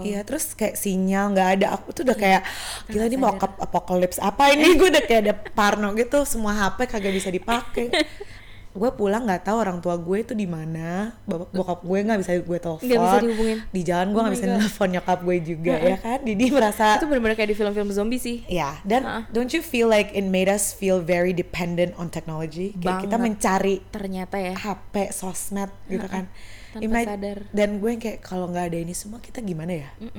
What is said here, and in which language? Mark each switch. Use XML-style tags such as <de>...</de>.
<id>Iya, terus kayak sinyal gak ada, aku tuh udah kayak gila ini mau apocalypse apa ini. Gue udah kayak ada parno gitu, semua HP kagak bisa dipakai. Gue pulang gak tahu orang tua gue itu di mana, bokap gue gak bisa gue telepon. Gak bisa dihubungin. Di jalan gue gak bisa telepon nyokap gue juga ya kan. Jadi merasa itu benar-benar kayak di film-film zombie sih. Iya, dan</id> <en>don't you feel like it made us feel very dependent on technology?</en> <id>Kayak banget. Kita mencari ternyata ya HP, sosmed gitu kan. Tanpa sadar. Dan gue kayak kalau gak ada ini semua kita gimana ya?</id>